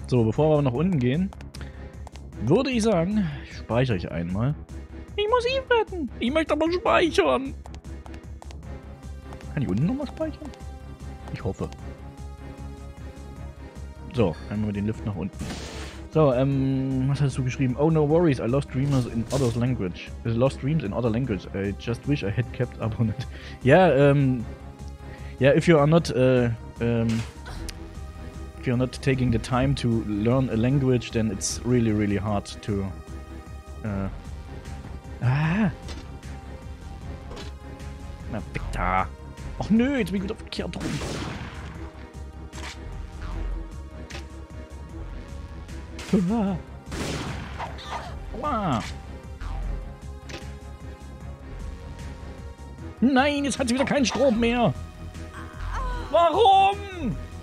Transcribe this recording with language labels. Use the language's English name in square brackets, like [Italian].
[German] So, bevor wir nach unten gehen, würde ich sagen, speichere ich einmal. Ich muss Eve retten! Ich möchte aber speichern! Kann ich unten nochmal speichern? Ich hoffe. So, einmal mit dem Lift nach unten. So, was hast du geschrieben? [English] Oh no worries, I lost dreamers in other language. I lost dreams in other language. I just wish I had kept up on it. Yeah, yeah, if you're not taking the time to learn a language, then it's really, really hard to, [German] Na bitte. Ach nö, jetzt bin ich wieder verkehrt rum. Nein, jetzt hat sie wieder keinen Strom mehr. Warum?